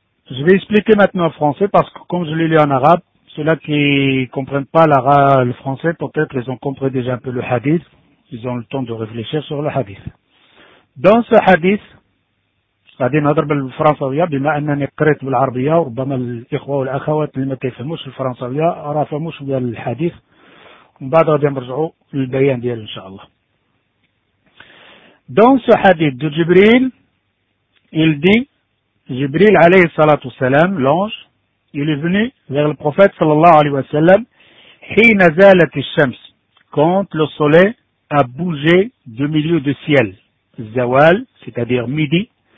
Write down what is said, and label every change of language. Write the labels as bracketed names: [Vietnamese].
[French] Je vais expliquer maintenant en français parce que comme je l'ai lu en arabe, ceux-là qui comprennent pas le français, peut-être ils ont compris déjà un peu le hadith, ils ont le temps de réfléchir sur le hadith. Dans ce hadith, [Arabic] غادي نضرب الفرنسويه بما انني قريت بالعربيه وربما الاخوه والاخوات اللي ما كيفهموش الفرنسويه راه فهموش ديال الحديث ومن بعد غادي نرجعوا للبيان ديالو ان شاء الله. [French] دونك حديث دو جبريل il dit جبريل عليه الصلاه والسلام لونج il est venu vers le prophète صلى الله عليه وسلم [Arabic] حين زالت الشمس [French] quand le soleil a bougé du milieu du ciel الزوال c'est-à-dire midi.